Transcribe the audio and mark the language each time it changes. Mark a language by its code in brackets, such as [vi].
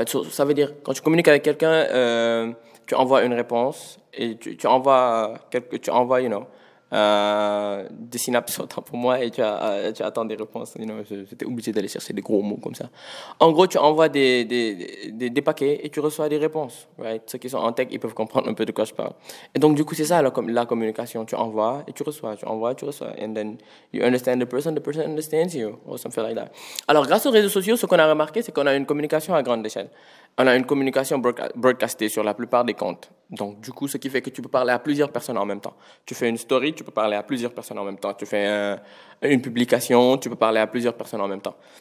[fr] Ça veut dire quand tu communiques avec quelqu'un, tu envoies une réponse et tu envoies des synapses autant pour moi et tu attends des réponses. You know, j'étais obligé d'aller chercher des gros mots comme ça. En gros, tu envoies des paquets et tu reçois des réponses. Right? Ceux qui sont en tech, ils peuvent comprendre un peu de quoi je parle. Et donc, du coup, c'est ça la communication. Tu envoies et tu reçois. Tu envoies et tu reçois. [en] And then you understand the person understands you. Or something like that. [fr] Alors, grâce aux réseaux sociaux, ce qu'on a remarqué, c'est qu'on a une communication à grande échelle. On a une communication broadcastée sur la plupart des comptes. Donc, du coup, ce qui fait que tu peux parler à plusieurs personnes en même temps. Tu fais une story, tu peux parler à plusieurs personnes en même temps. Tu fais une publication, tu peux parler à plusieurs personnes en même temps.